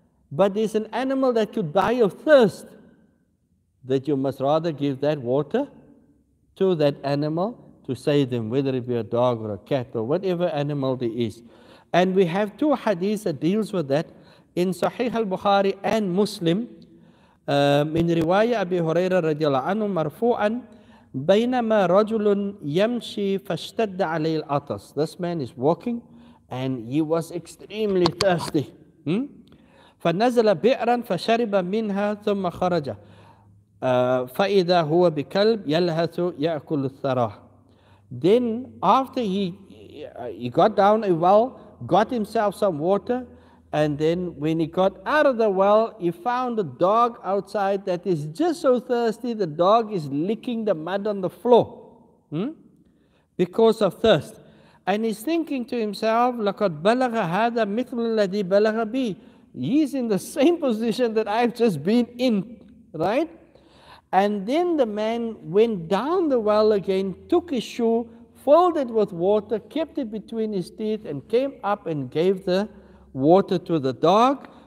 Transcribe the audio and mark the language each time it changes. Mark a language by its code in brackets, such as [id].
[en] But there's an animal that could die of thirst, that you must rather give that water to that animal to save them, whether it be a dog or a cat or whatever animal there is. And we have two hadiths that deals with that in Sahih al-Bukhari and Muslim. [ar] من رواية أبي هريرة رضي الله عنه مرفوعا بينما رجل يمشي فاشتد عليه الأطس. [en] This man is walking and he was extremely thirsty. [ar] فنزل بئرا فشرب منها ثم خرج. فَإِذَا هُوَ بِكَلْبْ يَلْهَثُ يَأْكُلُ الثَّرَاهُ. [en] Then after he got down a well, got himself some water, and then when he got out of the well, he found a dog outside that is just so thirsty, the dog is licking the mud on the floor because of thirst. And he's thinking to himself, [ar] لَقَدْ بَلَغَ هَذَا مِثْلُ الَّذِي بَلَغَ بِي. [en] He's in the same position that I've just been in, right? And then the man went down the well again, took his shoe, filled it with water, kept it between his teeth, and came up and gave the water to the dog.